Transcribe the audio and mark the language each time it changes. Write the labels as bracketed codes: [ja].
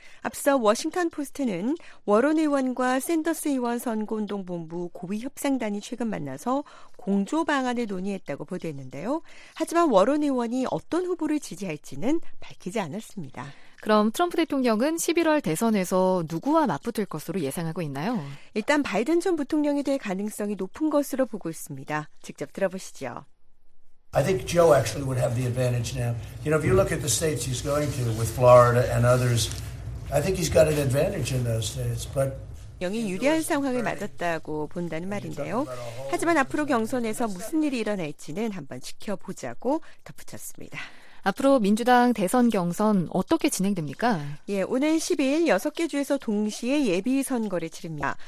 [ko] 앞서 워싱턴포스트는 워런 의원과 샌더스 의원 선거운동본부 고위협상단이 최근 만나서 공조 방안을 논의했다고 보도했는데요. 하지만 워런 의원이 어떤 후보를 지지할지는 밝히지 않았습니다. 그럼 트럼프 대통령은 11월 대선에서 누구와 맞붙을 것으로 예상하고 있나요? 일단 바이든 전 부통령이 될 가능성이 높은 것으로 보고 있습니다. 직접 들어보시죠. [en] I think Joe actually would have the advantage now. You know, if you look at the states he's going to with Florida and others, I think he's got an advantage in those states, but [ko] 영이 유리한 상황을 맞았다고 본다는 말인데요. 하지만 앞으로 경선에서 무슨 일이 일어날지는 한번 지켜보자고 덧붙였습니다. 앞으로 민주당 대선 경선 어떻게 진행됩니까? 예, 오늘 10일 6개 주에서 동시에 예비선거를 치릅니다.